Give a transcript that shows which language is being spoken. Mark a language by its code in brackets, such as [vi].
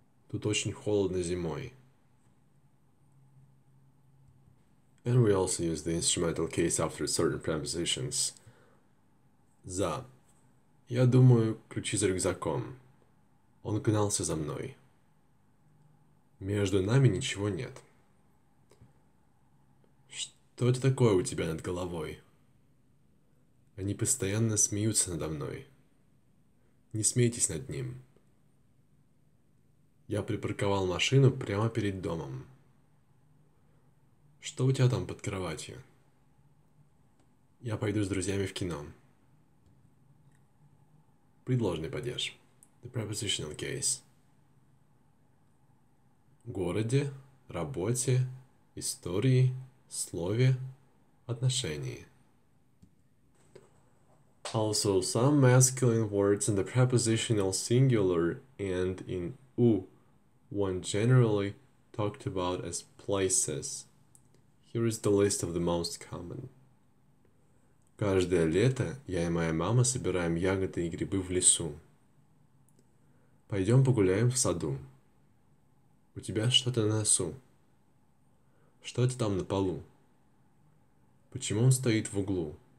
[ru] Тут очень холодно зимой. [en] And we also use the instrumental case after certain prepositions. [ru] За. Я думаю, ключи за рюкзаком. Он гнался за мной. Между нами ничего нет. Что это такое у тебя над головой? Они постоянно смеются надо мной. Не смейтесь над ним. Я припарковал машину прямо перед домом. Что у тебя там под кроватью? Я пойду с друзьями в кино. Предложный падеж. [en] The prepositional case. [ru] Городе, работе, истории, слове, отношении. [en] Also, some masculine words in the prepositional singular and in u, one generally talked about as places. Here is the list of the most common. [ru] Каждое лето я и моя мама собираем ягоды и грибы в лесу. Пойдем погуляем в саду. У тебя что-то на носу. Что это там на полу? Почему он стоит в углу?